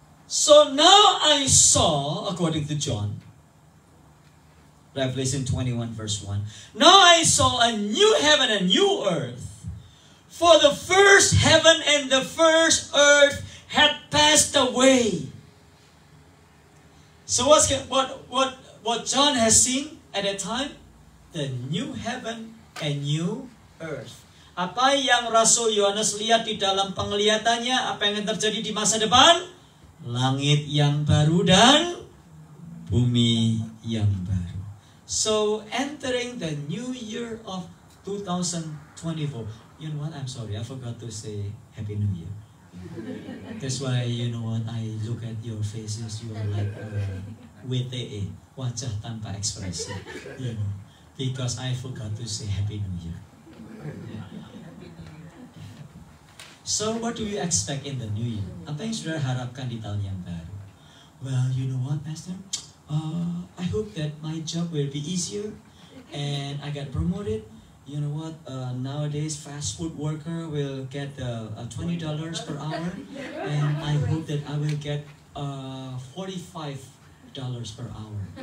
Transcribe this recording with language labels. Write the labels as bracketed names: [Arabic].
[English] So now I saw, according to John, Revelation 21 verse 1, now I saw a new heaven and new earth, for the first heaven and the first earth had passed away. So what John has seen at that time? The new heaven and new earth. [Indonesian] Apa yang Rasul Yohanes lihat di dalam penglihatannya, apa yang terjadi di masa depan? Langit yang baru dan bumi yang baru. [English] So entering the new year of 2024. You know what? I'm sorry. I forgot to say Happy New Year. That's why, you know what? I look at your faces. You are like WTE. [Indonesian] Wajah tanpa ekspresi. [English] You know, because I forgot to say Happy New Year. So what do you expect in the new year? [Indonesian] Apa yang saudara harapkan di tahun yang baru? [English] Well, you know what, Pastor? I hope that my job will be easier and I get promoted. You know what? Nowadays, fast food worker will get $20 per hour, and I hope that I will get $45 per hour.